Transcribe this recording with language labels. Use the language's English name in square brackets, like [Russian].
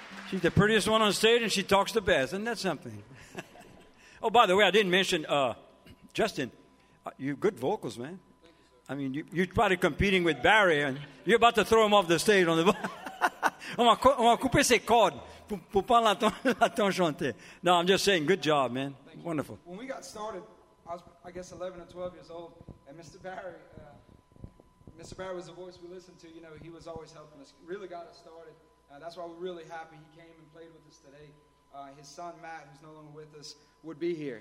[English] She's the prettiest one on stage, and she talks the best. Isn't that something? Oh, by the way, I didn't mention, Justin, you good vocals, man. Thank you, sir. I mean, you're probably competing with Barry, and you're about to throw him off the stage on the... [French] On va couper ses cordes pour pas l'entendre chanter. [English] No, I'm just saying, good job, man. Thank Wonderful. You. When we got started, I was, I guess, 11 or 12 years old, and Mr. Barry was the voice we listened to. You know, he was always helping us, really got us started. That's why we're really happy he came and played with us today. His son, Matt, who's no longer with us, would be here.